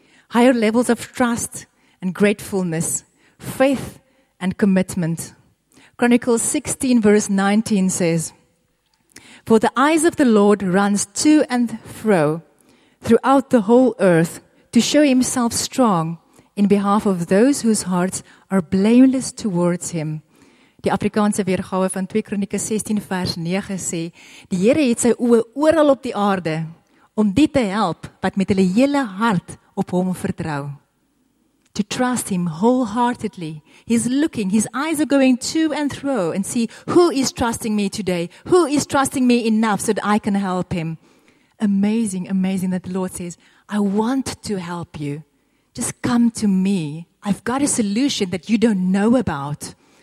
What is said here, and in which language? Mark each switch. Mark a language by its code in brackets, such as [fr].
[en] Higher levels of trust and gratefulness, faith and commitment. Chronicles 16 verse 19 says, "For the eyes of the Lord runs to and fro throughout the whole earth to show himself strong in behalf of those whose hearts are blameless towards him." [af] Die Afrikaanse weergawe van 2 Kronieke 16 vers 9 sê, "Die Here het sy oë oral op die aarde om die te help wat met hulle hele hart op hom vertrou." [en] To trust him wholeheartedly. He's looking. His eyes are going to and fro and see who is trusting me today. Who is trusting me enough so that I can help him. Amazing, amazing that the Lord says, "I want to help you. Just come to me. I've got a solution that you don't know about."